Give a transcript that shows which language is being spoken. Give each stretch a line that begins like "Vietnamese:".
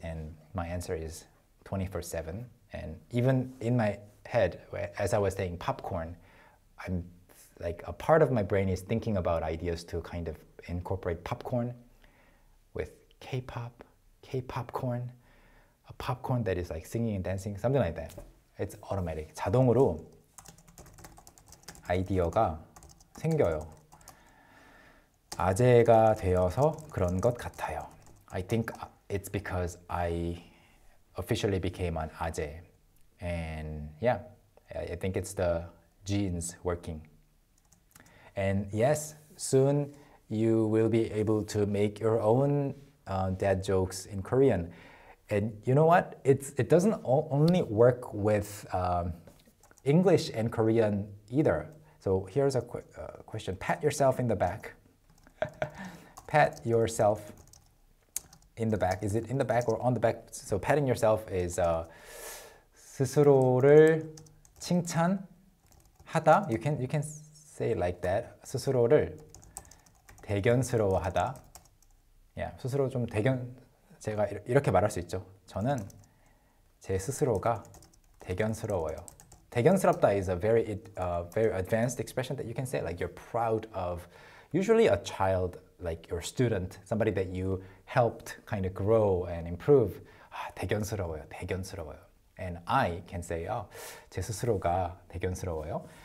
English: And my answer is 24/7. And even in my head, as I was saying popcorn, I'm like, a part of my brain is thinking about ideas to kind of incorporate popcorn with K-pop, K-popcorn, a popcorn that is like singing and dancing, something like that. It's automatic.
Korean: 자동으로 아이디어가 생겨요. 아재가 되어서 그런 것 같아요.
English: I think it's because I officially became an 아재. And yeah, I think it's the genes working. And yes, soon you will be able to make your own dad jokes in Korean. And you know what? It doesn't only work with English and Korean either. So here's a question. Pat yourself in the back. Pat yourself in the back. Is it in the back or on the back? So patting yourself is
Korean: 스스로를 칭찬하다.
English: You can say it like that. 스스로를
Korean: 대견스러워하다. 야, 스스로 좀 대견 제가 이렇게 말할 수 있죠. 저는 제 스스로가 대견스러워요.
English: 대견스럽다 is a very very advanced expression that you can say like you're proud of. Usually a child, like your student, somebody that you helped kind of grow and improve.
Korean: 아, 대견스러워요. 대견스러워요.
English: And I can say, oh,
Korean: 제 스스로가 대견스러워요.